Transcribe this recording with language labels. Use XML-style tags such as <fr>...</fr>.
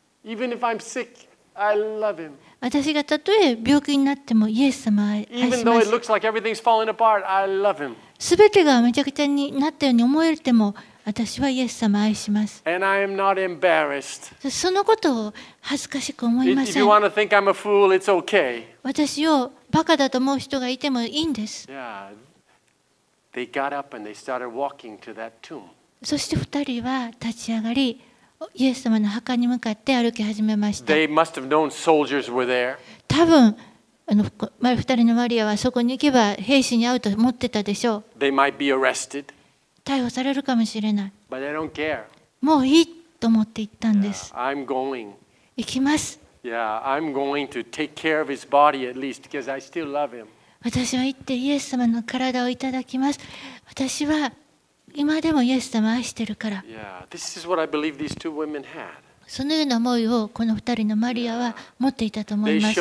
<en>Even if I'm sick, I love him.</en> <ja>私がたとえ病気になってもイエス様を愛します。</ja> <en>Even though it looks like everything's falling apart, I love him.</en> <ja>全てがめちゃくちゃになったように思えても私はイエス様を愛します。</ja> <en>And I am not embarrassed.</en> <ja>そのことを恥ずかしく思いません。</ja> <en>If you want to think I'm a fool, it's okay.</en> <ja>私をバカだと思う人がいてもいいんです。</ja> <en>Yeah. They got up and they started walking to that tomb.</en> <ja>そして二人は立ち上がり、イエス様の墓に向かって歩き始めました。</ja> <en>They must have known soldiers were there.</en> <ja>多分二人のマリアはそこに行けば兵士に会うと思ってたでしょう。</ja> <en>They might be arrested.</en> <ja>逮捕されるかもしれない。</ja> <en>But I don't care.</en> <ja>もういいと思って行ったんです。</ja> <en>Yeah, I'm going.</en> <ja>行きます。</ja> <en>Yeah, I'm going to take care of his body at least because I still love him.</en> <ja>私は行ってイエス様の体をいただきます。私は今でもイエス様を愛してるから。</ja> <en>Yeah, this is what I believe these two women had.</en> <ja>そのような思いをこの二人のマリアは持っていたと思います。</ja>